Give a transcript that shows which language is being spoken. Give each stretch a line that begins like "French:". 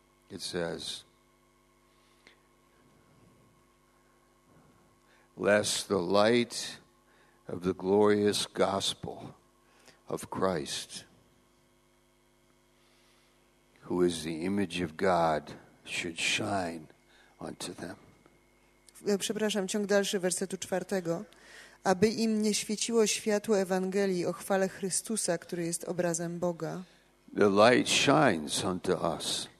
English: It says, lest the light of the glorious gospel of Christ, who is the image of God, should shine unto them.
Polish: Przepraszam, ciąg dalszy wersetu 4. Aby im nie świeciło światło Ewangelii o chwale Chrystusa, który jest obrazem Boga.
English: The light shines unto us.